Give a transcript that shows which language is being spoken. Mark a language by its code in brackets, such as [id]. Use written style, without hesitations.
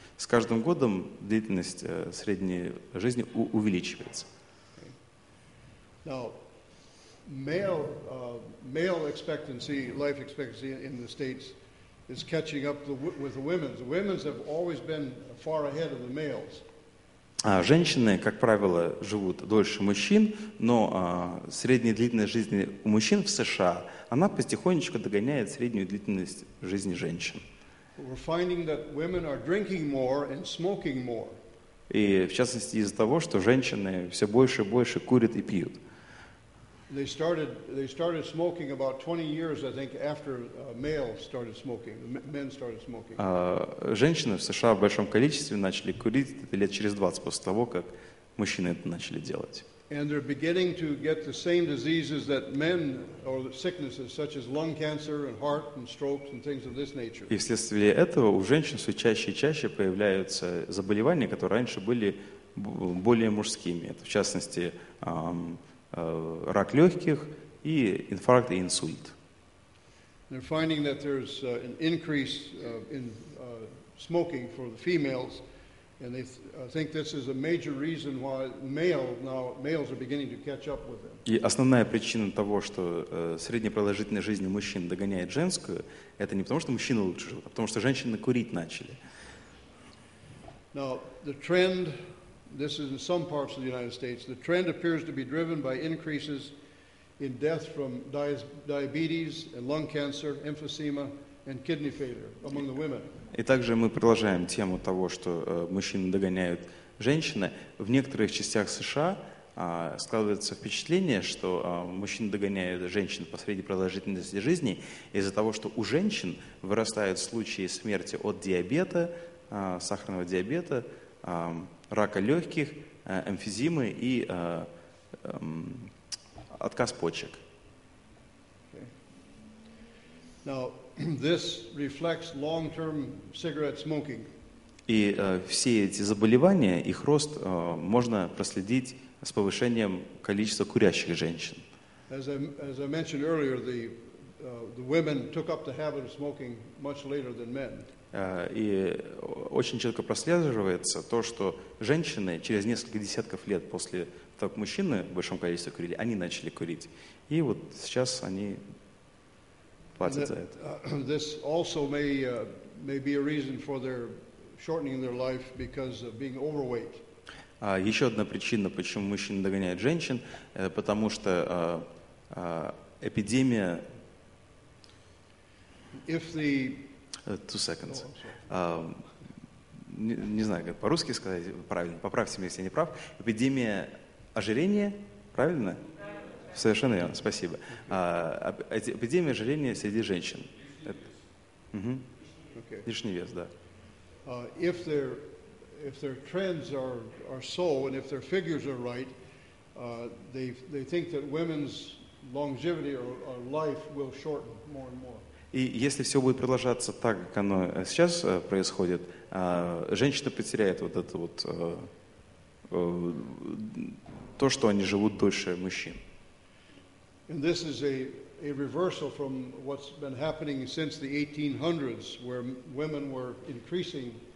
[ru] С каждым годом длительность средней жизни увеличивается. [en] Now, male expectancy, life expectancy in the States is catching up with the women's. The women's have always been far ahead of the males. [ru] А женщины, как правило, живут дольше мужчин, но средняя длительность жизни у мужчин в США, она потихонечку догоняет среднюю длительность жизни женщин. [en] We're finding that women are drinking more and smoking more. [ru] И в частности из-за того, что женщины все больше и больше курят и пьют. [en] They started smoking about 20 years, I think, after males started smoking. Men started smoking. [ru] Женщины в США в большом количестве начали курить лет через 20 после того, как мужчины это начали делать. [en] And they're beginning to get the same diseases that men or sicknesses, such as lung cancer and heart and strokes and things of this nature. [ru] И вследствие этого у женщин все чаще и чаще появляются заболевания, которые раньше были более мужскими. Это, в частности, рак легких и инфаркт и инсульт. [en] They're finding that there's an increase in smoking for the females, and they think this is a major reason why males are beginning to catch up with them. [ru] И основная причина того, что средняя продолжительность жизни мужчин догоняет женскую, это не потому, что мужчины лучше живут, а потому, что женщины курить начали. [en] Now the trend. This is in some parts of the United States. The trend appears to be driven by increases in death from diabetes and lung cancer, emphysema, and kidney failure among the women. [ru] И также мы продолжаем тему того, что мужчины догоняют женщины. В некоторых частях США складывается впечатление, что мужчины догоняют женщин по средней продолжительности жизни из-за того, что у женщин вырастают случаи смерти от диабета, сахарного диабета, рака легких, эмфиземы и отказ почек. [en] Okay. Now, this reflects long-term cigarette smoking. [ru] И все эти заболевания, их рост можно проследить с повышением количества курящих женщин. [en] As I mentioned earlier, the women took up the habit of smoking much later than men. [ru] И очень четко прослеживается то, что женщины через несколько десятков лет после того, как мужчины в большом количестве курили, они начали курить. И вот сейчас они платят за это. [en] This also may be a reason for their shortening their life because of being overweight. [ru] Еще одна причина, почему мужчины догоняют женщин, потому что эпидемия... [en] If the... Two seconds. [ru] Не знаю, как по-русски сказать правильно. Поправьте меня, если я не прав. Эпидемия ожирения, правильно? Правильно. Совершенно верно, спасибо. Эпидемия ожирения среди женщин. Лишний вес, да. [en] If their trends are so, and if their figures are right, they think that women's longevity or life will shorten more and more. [ru] И если все будет продолжаться так, как оно сейчас происходит, женщины потеряют вот это вот то, что они живут дольше мужчин. [en] And this is a reversal from what's been happening since the 1800s, where women were increasing